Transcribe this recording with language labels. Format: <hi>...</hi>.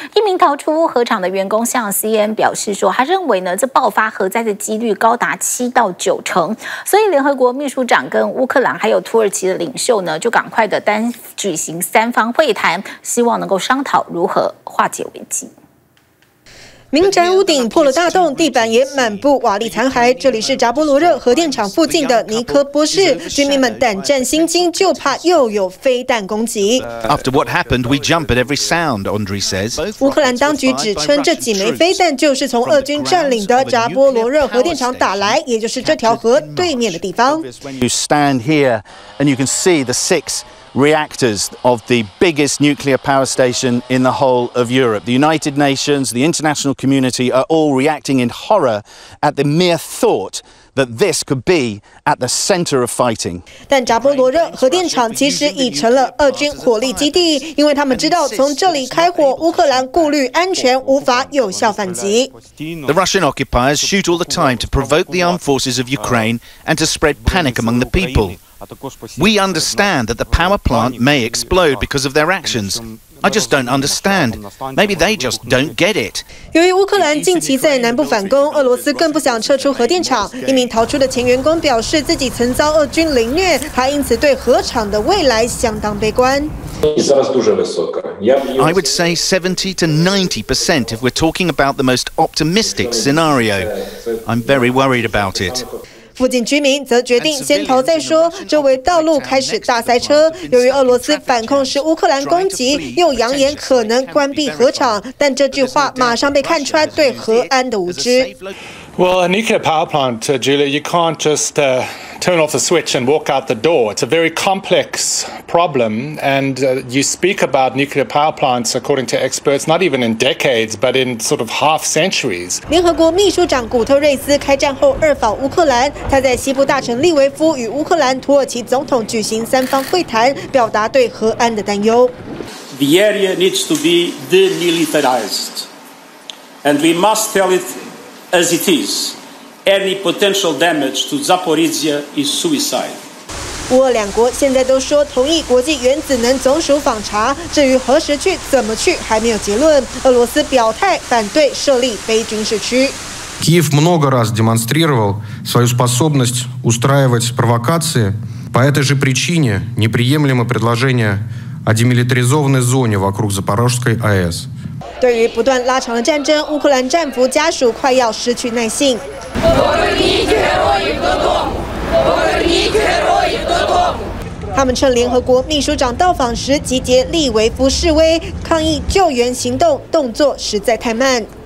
<zh>一名逃出乌核厂的员工向 CNN 表示说，他认为呢，这爆发核灾的几率高达7到9成，所以联合国秘书长跟乌克兰还有土耳其的领袖呢，就赶快的单举行三方会谈，希望能够商讨如何化解危机。民宅屋顶破了大洞，地板也满布瓦砾残骸。这里是扎波罗热核电厂附近的尼科波市，居民们胆战心惊，就怕又有飞弹攻击。</zh> <en>After what happened, we jump at every sound, Andriy says.</en> <zh>乌克兰当局指称，这几枚飞弹就是从俄军占领的扎波罗热核电厂打来，也就是这条河对面的地方。</zh> <en>You stand here, and you can see the six. Reactors of the biggest nuclear power station in the whole of Europe. The United Nations, the international community are all reacting in horror at the mere thought that this could be at the center of fighting.</en> <zh>但扎波罗热核电厂其实已成了俄军火力基地，因为他们知道从这里开火，乌克兰顾虑安全，无法有效反击。</zh> <en>The Russian occupiers shoot all the time to provoke the armed forces of Ukraine and to spread panic among the people. We understand that the power plant may explode because of their actions. I just don't understand. Maybe they just don't get it.</en> <zh>由于乌克兰近期在南部反攻，俄罗斯更不想撤出核电厂。一名逃出的前员工表示，自己曾遭俄军凌虐，他因此对核厂的未来相当悲观。</zh> <en>I would say 70-90% if we're talking about the most optimistic scenario. I'm very worried about it.</en> <zh>附近居民则决定先逃再说，周围道路开始大塞车。由于俄罗斯反控是乌克兰攻击，又扬言可能关闭核厂，但这句话马上被看穿对核安的无知。</zh> <en>Well, a nuclear power plant, Julia, you can't just turn off the switch and walk out the door. It's a very complex problem, and you speak about nuclear power plants, according to experts, not even in decades, but in sort of half centuries.</en> <zh>联合国秘书长古特瑞斯开战后二访乌克兰，他在西部大城利维夫与乌克兰、土耳其总统举行三方会谈，表达对核安的担忧。</zh> <en>The area needs to be demilitarized, and we must tell it. As it is, any potential damage to Zaporizhia is suicide.</en> <zh>乌俄两国现在都说同意国际原子能总署访查，至于何时去、怎么去，还没有结论。俄罗斯表态反对设立非军事区。</zh> <ru>Киев много раз демонстрировал свою способность устраивать провокации. По этой же причине неприемлемо предложение о демилитаризованной зоне вокруг Запорожской АЭС.</ru> <zh>对于不断拉长的战争，乌克兰战俘家属快要失去耐心。他们趁联合国秘书长到访时集结利维夫示威，抗议救援行动动作实在太慢。</zh>